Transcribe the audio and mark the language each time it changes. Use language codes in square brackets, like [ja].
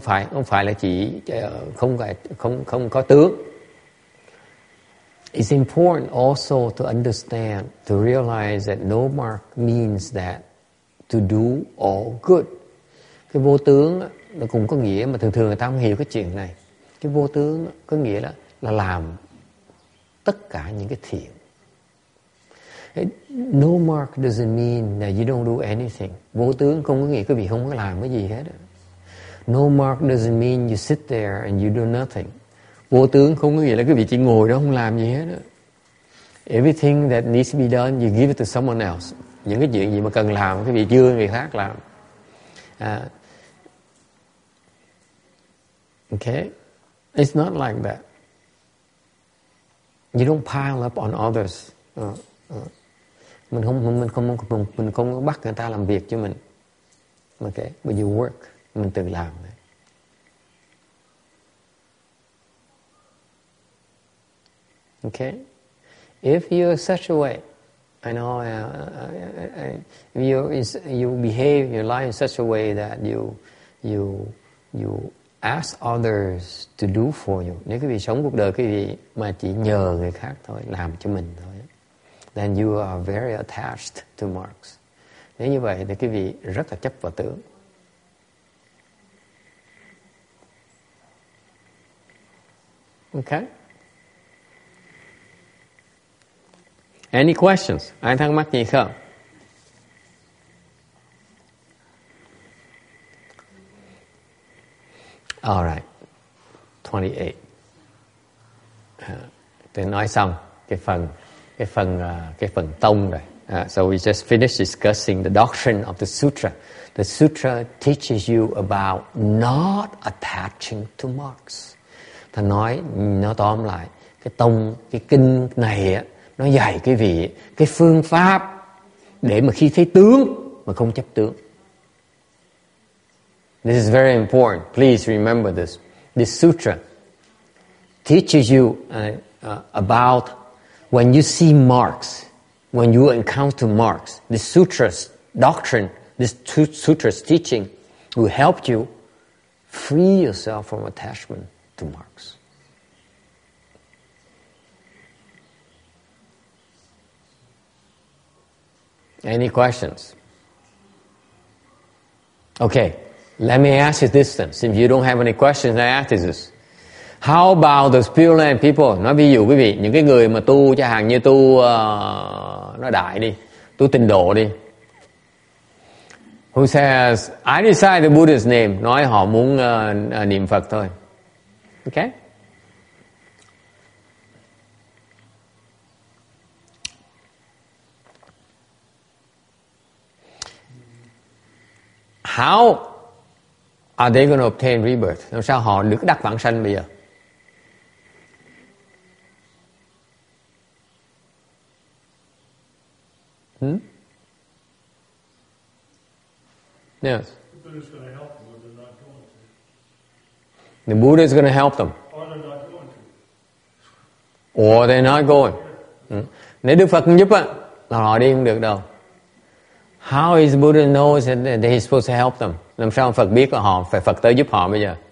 [vi] Không phải là chỉ không có tướng. [en] It's important also to understand, to realize that no mark means that to do all good. [vi] Cái vô tướng nó cũng có nghĩa, mà thường thường người ta không hiểu cái chuyện này. Cái vô tướng có nghĩa là làm tất cả những cái thiện. [en] No mark doesn't mean that you don't do anything. [vi] Vô tướng không có nghĩa quý vị không có làm cái gì hết. [en] No mark doesn't mean you sit there and you do nothing. [vi] Vô tướng không có nghĩa là quý vị chỉ ngồi đó không làm gì hết. [en] Everything that needs to be done, you give it to someone else. [vi] Những cái chuyện gì mà cần làm, quý vị đưa người khác làm. [en] Okay? It's not like that. You don't pile up on others. [vi] Mình không bắt người ta làm việc cho mình. [en] Okay? But you work. [vi] Mình tự làm. [en] Okay, if you're such a way, I know you behave your life in such a way that you ask others to do for you. [vi] Nếu quý vị sống cuộc đời quý vị mà chỉ nhờ người khác thôi, làm cho mình thôi, [en] then you are very attached to marks. [vi] Nếu như vậy thì quý vị rất là chấp vào tướng. [en] Okay. Any questions? [vi] Ai thắc mắc gì không? [en] All right. 28. [vi] Tôi nói xong cái phần tông rồi. [en] So we just finished discussing the doctrine of the sutra. The sutra teaches you about not attaching to marks. [vi] Thầy nói, nó tóm lại, cái tông, cái kinh này á, nó dạy cái vị, cái phương pháp để mà khi thấy tướng mà không chấp tướng. [en] This is very important. Please remember this. This sutra teaches you about when you see marks, when you encounter marks. This sutra's doctrine, this sutra's teaching will help you free yourself from attachment to marks. Any questions? Okay, let me ask you this then. Since you don't have any questions, I ask you this. How about the Pure Land people? [vi] Nói ví dụ quý vị, những cái người mà tu chẳng hạn như tu nói đại đi, tu tịnh độ đi. [en] Who says, I decide the Buddha's name. [vi] Nói họ muốn niệm Phật thôi. [en] Okay? How are they going to obtain rebirth? [vi] Làm sao họ được đắc vãng sanh bây giờ? [en] Yes. The Buddha is going to help them or they're not going to. The Buddha is going to help them. Or they're not going to. Or they're not going. [vi] Nếu Đức Phật không giúp á, là họ đi không được đâu. [en] How is Buddha knows that he's supposed to help them? [vi] Làm sao Phật biết là họ phải Phật tới giúp họ bây giờ?